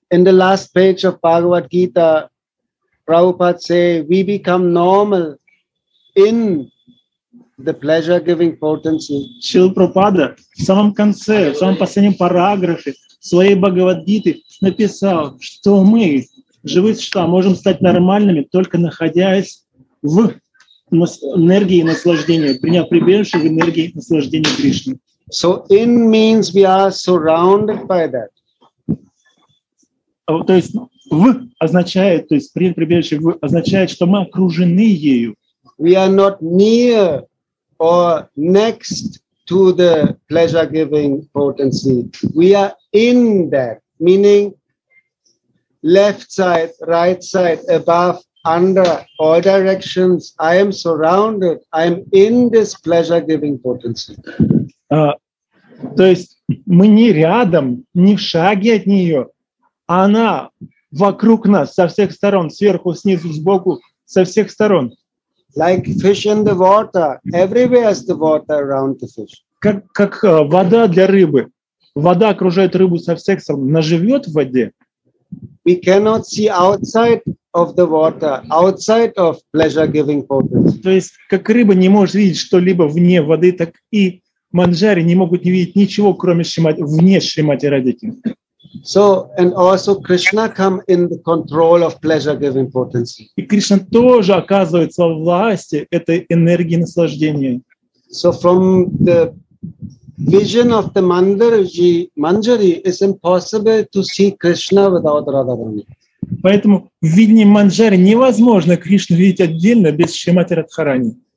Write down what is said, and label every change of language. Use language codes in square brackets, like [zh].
[en] In the last page of Bhagavad Gita, Prabhupada say, we become normal in the pleasure-giving potency. [ru] Шрила Прабхупада в самом конце, в самом последнем параграфе своей Бхагавад-гиты написал, что мы, живые существа, можем стать нормальными, только находясь в энергии наслаждения, приняв прибежище в энергии наслаждения Кришны. [en] So in means we are surrounded by that. [ru] То есть в означает, то есть прибежище в означает, что мы окружены ею. [en] We are not near or next to the pleasure-giving potency. We are in that, meaning left side, right side, above, under, all directions. I am surrounded. I am in this pleasure-giving potency. [ru] То есть мы не рядом, не в шаге от нее. Она вокруг нас со всех сторон, сверху, снизу, сбоку, со всех сторон. [en] Like fish in the water, everywhere is the water around the fish. [ru] Как вода для рыбы. Вода окружает рыбу со всех сторон. Она живет в воде. [en] We cannot see outside of the water, outside of pleasure-giving potency. [ru] То есть как рыба не может видеть что-либо вне воды, так и манджари не могут не видеть ничего, кроме вне Шримати Радики. [en] So, and also Krishna come in the control of pleasure-giving potency. [ru] И Кришна тоже оказывается во власти этой энергии наслаждения. [en] So from the vision of the Manjari, it's impossible to see Krishna without Radharani. [ru] Поэтому в видении Манджари невозможно Кришну видеть отдельно без Шримати Радхарани.